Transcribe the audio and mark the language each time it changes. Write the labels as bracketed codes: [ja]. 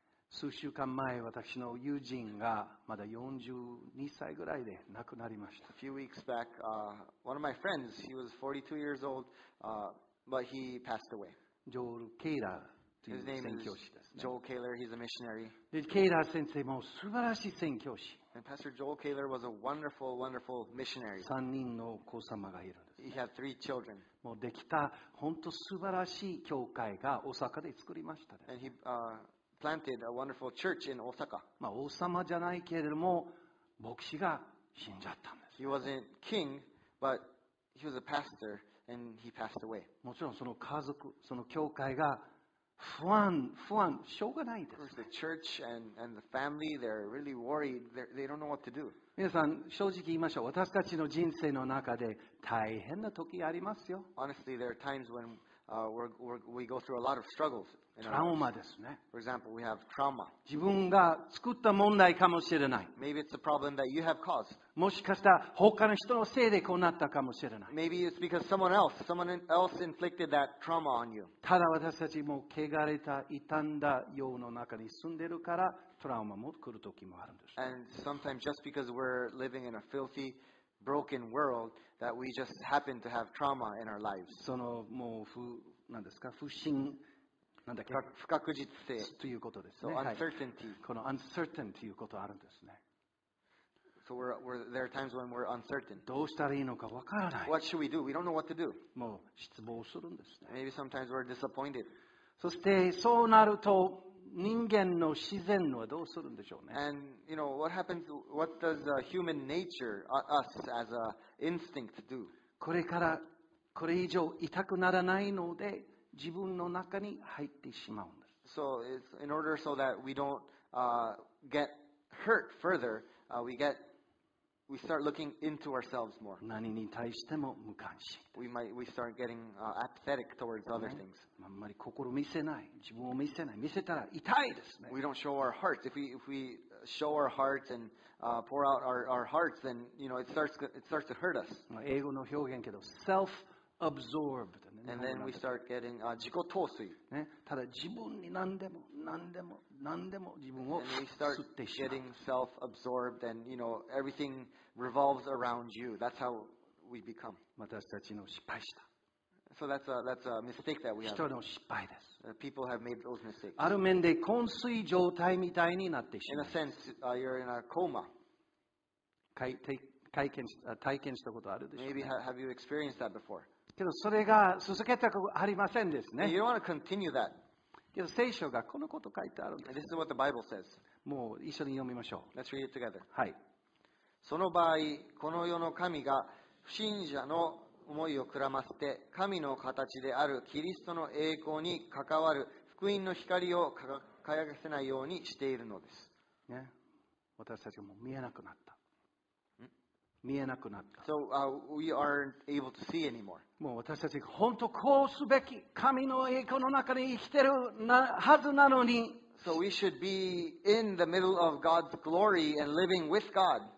[ja] 数週間前、私の友人がまだ42歳ぐらいで亡くなりました。 [en] A few weeks back, one of my friends, he was 42 years old,but he passed away. [ja] ジョール・ケイラーという宣教師です、ね。ジョー・ケイラー、 [en] he's a missionary. [ja] で、ケイラー先生も素晴らしい宣教師。 [en] And Pastor Joel Kaler was a wonderful, wonderful missionary. [ja] 三人の子様がいるんです、ね。 [en] He had three children. [ja] もうできた本当素晴らしい教会が大阪で作りました、ね。 [en] And he planted a wonderful church in Osaka. [ja] まあ王様じゃないけれども牧師が死んじゃったんです、ね。 [en] He wasn't king, but he was a pastor. And he passed away. [ja] もちろんその家族、その教会が不安、しょうがないです、ね。 [en] Of course, the church and the family, they're really worried. They don't know what to do. [ja] 皆さん、正直言いましょう。私たちの人生の中で大変な時ありますよ。 [en] Honestly, there are times when we go through a lot of struggles. [ja] Trauma ですね。 [en] For example, we have trauma. [ja] 自分が作った問題かもしれない。 [en] Maybe it's a problem that you have caused. [ja] もしかしたら他の人のせいでこうなったかもしれない。 [en] Maybe it's because someone else inflicted that trauma on you. [ja] ただ私たちも汚れた傷んだ世の中に住んでるからトラウマも来る時もあるんです。 [en] And sometimes just because we're living in a filthy,broken world that we just happen to have trauma in our lives. [ja] そのもう不なんですか不信なんだっけ不確実性ということですね。 [en] So uncertainty. [ja] はい、この uncertain ということあるんですね。 [en] So we're there are times when we're uncertain. [ja] どうしたらいいのかわからない。 [en] What should we do? We don't know what to do. [ja] もう失望するんですね。 [en] Maybe sometimes we're disappointed. [ja] そしてそうなると人間の自然はどうするんでしょうね。 [en] And you know what happens? What does human nature, us as a instinct, do? [ja] これからこれ以上痛くならないので自分の中に入ってしまうんです。 [en] So it's in order so that we don't get hurt further, we start looking into ourselves more. [ja] 何に対しても無関心。 [en] We start getting apathetic towards other things. [ja] あんまり心を見せない、自分を見せない、見せたら痛いですね。 [en] We don't show our hearts. If we show our hearts and pour out our hearts, then you know it starts to hurt us. [ja] 英語の表現けど、self-absorbed. [en] And then we start getting 自己陶酔。 [ja] ね、ただ自分に何でも。何でも自分を吸ってしまう。 [en] Getting self-absorbed and you know everything revolves around you. That's how we become. [ja] 私たちの失敗した。 [en] So that's a mistake that we have. [ja] 人の失敗です。 [en] People have made those mistakes. [ja] ある面で昏睡状態みたいになってしまう。 [en] In a sense, you're in a coma. [ja] 体験したことあるでしょうね。 [en] Maybe have you experienced that before? [ja] けどそれが続けたくありませんですね。 [en] You don't want to continue that. [ja] 聖書がこのこと書いてあるんです。 [en] This is what the Bible says. [ja] もう一緒に読みましょう。 [en] Let's read it together. [ja] はい。その場合、この世の神が不信者の思いをくらませて、神の形であるキリストの栄光に関わる福音の光を輝かせないようにしているのです。ね、私たちも見えなくなった。見えなくなった。 [en] So, we aren't able to see anymore. [ja] もう私たち本当こうすべき神の栄光の中に生きてるはずなのに。 [en] So we should be in the middle of God's glory and living with God.